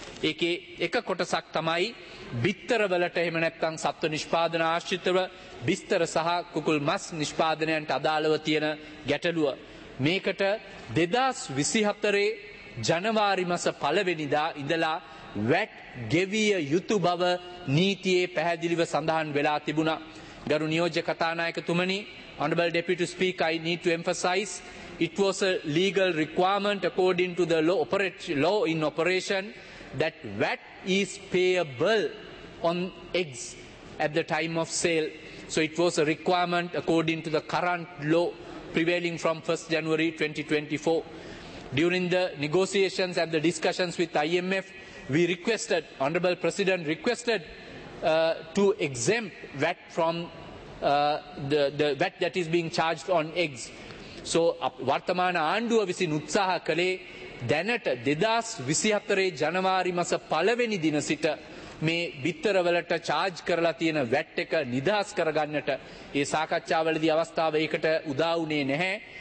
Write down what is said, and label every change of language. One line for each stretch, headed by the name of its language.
Sinhala: ඒකේ එක කොටසක් තමයි බිත්තරවලට, එහෙම නැත්නම් සත්ව නිෂ්පාදන ආශ්‍රිතව බිත්තර සහ කුකුල් මස් නිෂ්පාදනයන්ට අදාළව තියෙන ගැටලුව. මේකට 2024 ජනවාරි මාස පළවෙනිදා ඉඳලා වැට් ගෙවිය යුතු බව නීතියේ පැහැදිලිව සඳහන් වෙලා තිබුණා. ගරු නියෝජ්‍ය කතානායකතුමනි,
English: honorable deputy speaker, I need to emphasize it was a legal requirement according to the law in operation that VAT is payable on eggs at the time of sale. So it was a requirement according to the current law prevailing from 1st January 2024. During the negotiations and the discussions with IMF, we requested, honorable president requested to exempt VAT from the VAT that is being charged on eggs.
Sinhala: So vartamana aanduwa visin utsaha kale දැනට 2024 ජනවාරි මාස පළවෙනි දින සිට මේ බිත්තරවලට charge කරලා තියෙන VAT එක නිදහස් කරගන්නට ඒ සාකච්ඡාවලදී අවස්ථාව ඒකට උදා වුණේ නැහැ.